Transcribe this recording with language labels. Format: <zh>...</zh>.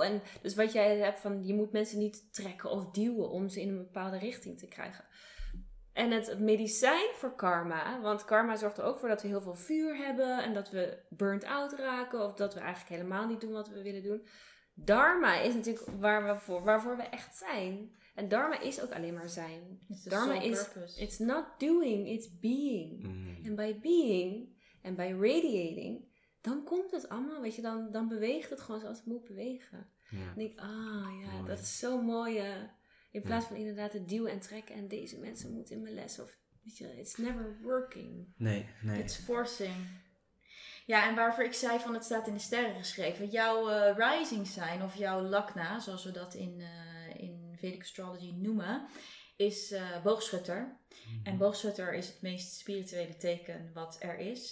<nl>En dus wat jij hebt van je moet mensen niet trekken of duwen om ze in een bepaalde richting te krijgen. En het medicijn voor karma, want karma zorgt er ook voor dat we heel veel vuur hebben en dat we burnt out raken of dat we eigenlijk helemaal niet doen wat we willen doen. Dharma is natuurlijk waarvoor we echt zijn. En dharma is ook alleen maar zijn.</nl> <en>Dharma is, it's not doing, it's being.</en> <nl>En</nl> <en>by being</en> <nl>en</nl> <en>by radiating,</en> <nl>dan komt het allemaal, weet je, dan beweegt het gewoon zoals het moet bewegen. Ja. En ik, mooi. Dat is zo mooi. In plaats van inderdaad het duwen en trekken en deze mensen moeten in mijn les. Of, weet je,</nl> <en>it's never working.</en> <nl>Nee.</nl> <en>It's forcing.</en> <nl>Ja, en waarvoor ik zei van het staat in de sterren geschreven. Jouw rising sign of jouw lakna, zoals we dat in Vedic astrology noemen, is boogschutter. Mm-hmm. En boogschutter is het meest spirituele teken wat er is.</nl>